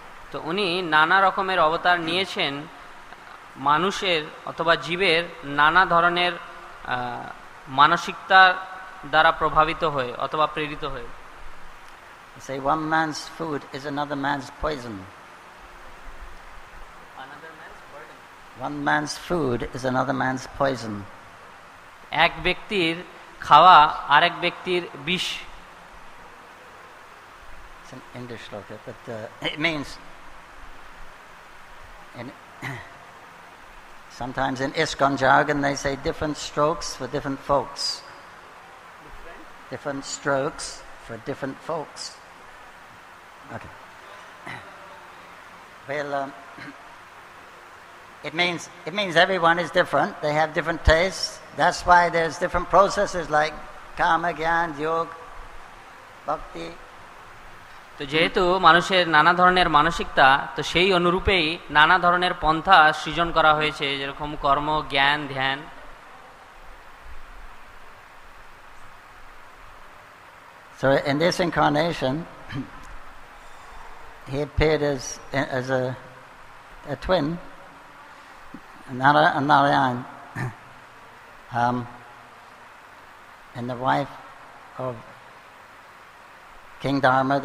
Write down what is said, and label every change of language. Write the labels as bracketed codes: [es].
[bn] তো উনি নানা রকমের অবতার নিয়েছেন মানুষের অথবা জীবের নানা ধরনের মানসিকতার দ্বারা প্রভাবিত হয়ে অথবা প্রেরিত হয়ে। [en] Say one man's food is another man's poison. One man's food is another man's poison. [bn] এক ব্যক্তির খাওয়া আরেক ব্যক্তির বিষ। [en] It's an English shlok, but it means sometimes in ISKCON jargon they say different strokes for different folks. Different strokes for different folks. Okay. Well, it means everyone is different. They have different tastes. That's why there's different processes like karma, gyan, yoga, bhakti. [bn] তো যেহেতু মানুষের নানা ধরনের মানসিকতা, তো সেই অনুরূপেই নানা ধরনের পন্থা সৃজন করা হয়েছে, যেরকম কর্ম, জ্ঞান, ধ্যান। [en] So in this incarnation, he appeared as a twin, Narayan, and the wife of King Dharma.